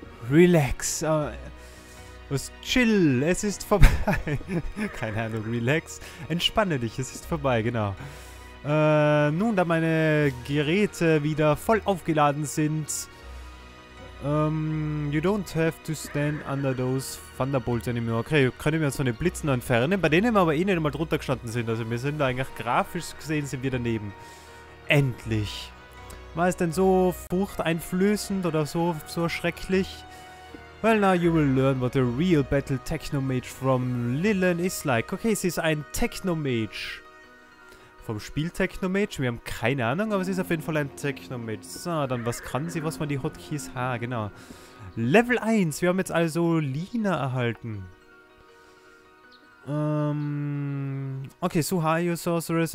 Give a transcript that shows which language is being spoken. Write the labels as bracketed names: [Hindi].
[German] Relax, was chill, es ist vorbei. Keine Ahnung, relax, entspanne dich, es ist vorbei, genau. Nun, da meine Geräte wieder voll aufgeladen sind... [English] you don't have to stand under those Thunderbolts anymore. [German] Okay, können wir uns von den Blitzen entfernen, bei denen wir aber eh nicht mal drunter gestanden sind. Also wir sind da eigentlich grafisch gesehen, sind wir daneben. Endlich. War es denn so furchteinflößend oder so schrecklich? [English] Well, now you will learn what a real battle Technomage from Lillen is like. [German] Okay, sie ist ein Technomage. Vom Spiel Technomage. Wir haben keine Ahnung, aber sie ist auf jeden Fall ein Technomage. So, dann was kann sie, was man die Hotkeys... Ha, genau. Level 1. Wir haben jetzt also Lina erhalten. Okay, Suhayo Sorceress.